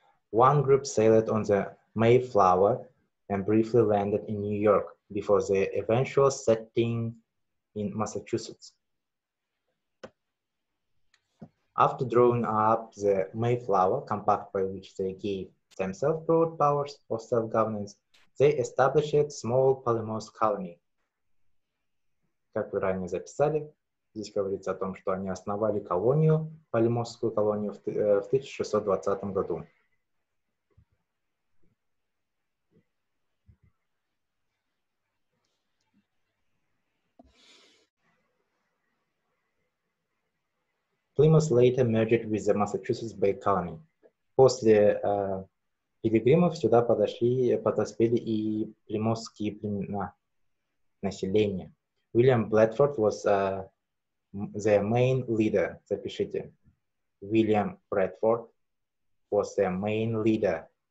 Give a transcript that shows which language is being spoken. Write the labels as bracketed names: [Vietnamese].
[English] One group sailed on the Mayflower and briefly landed in New York before the eventual settling in Massachusetts. After drawing up the Mayflower, compact by which they gave themselves broad powers of self-governance, they established a small Plymouth colony. [Russian] Как вы ранее записали, здесь говорится о том, что они основали колонию, Плимоутскую колонию, в 1620 году. [English] Plymouth later merged with the Massachusetts Bay Colony. [Russian] После пилигримов сюда подошли, подоспели и плимосские племена, население. [English] William Bradford was their main leader. [Russian] Запишите. [English] William Bradford was their main leader.